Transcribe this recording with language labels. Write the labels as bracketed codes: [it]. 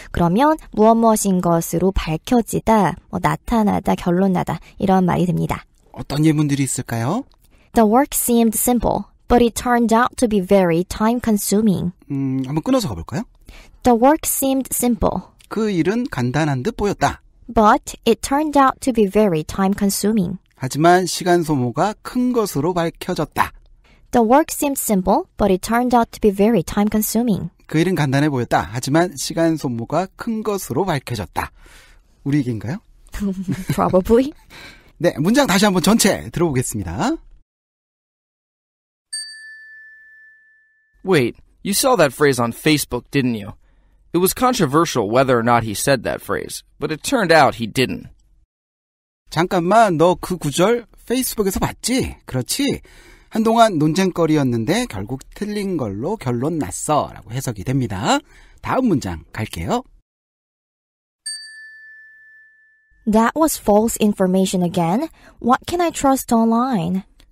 [ko] 그러면 무엇무엇인 것으로 밝혀지다, 뭐 나타나다, 결론나다 이런 말이 됩니다. 어떤 예문들이 있을까요? [en] The work seemed simple, but it turned out to be very time-consuming. [ko] 한번 끊어서 가볼까요? [en] The work seemed simple. [ko] 그 일은 간단한 듯 보였다. [en] But it turned out to be very time-consuming. [ko] 하지만 시간 소모가 큰 것으로 밝혀졌다. [en] The work seemed simple, but it turned out to be very time-consuming. [ko] 그 일은 간단해 보였다. 하지만 시간 소모가 큰 것으로 밝혀졌다. 우리 얘기인가요? [en] Probably. [ko] 네, 문장 다시 한번 전체 들어보겠습니다. [en] Wait, you saw that phrase on Facebook, didn't you? It was controversial whether or not he said that phrase, but it turned out he didn't. [ko] 잠깐만, 너 그 구절 페이스북에서 봤지? 그렇지? 한동안 논쟁거리였는데 결국 틀린 걸로 결론 났어. 라고 해석이 됩니다. 다음 문장 갈게요. [en] That was false information again. What can I trust online?